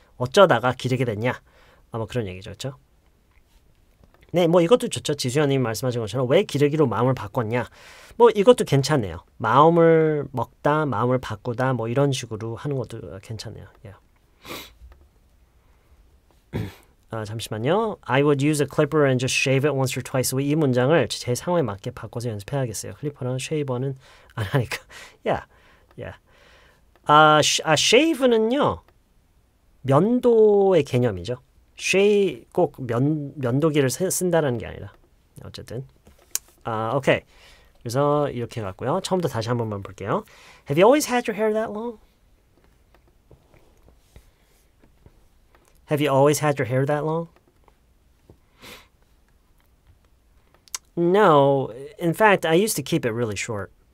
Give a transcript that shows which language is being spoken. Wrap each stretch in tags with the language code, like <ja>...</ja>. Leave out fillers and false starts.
<ko>어쩌다가 기르게 됐냐? 아마 그런 얘기죠, 그렇죠? 네, 뭐 이것도 좋죠. 지수연님이 말씀하신 것처럼 왜 기르기로 마음을 바꿨냐. 뭐 이것도 괜찮네요. 마음을 먹다, 마음을 바꾸다, 뭐 이런 식으로 하는 것도 괜찮네요. Yeah. 잠시만요.</ko> <en>I would use a clipper and just shave it once or twice.</en> <ko>이 문장을 제 상황에 맞게 바꿔서 연습해야겠어요. 클리퍼랑 쉐이버는 안 하니까. Yeah. Shave는요. 면도의 개념이죠. 쉐이 꼭 면도기를 쓴다라는 게 아니라 어쨌든 오케이 그래서 이렇게 갔고요. 처음부터 다시 한 번만 볼게요.</ko> <en>Have you always had your hair that long? Have you always had your hair that long? No, in fact, I used to keep it really short.</en>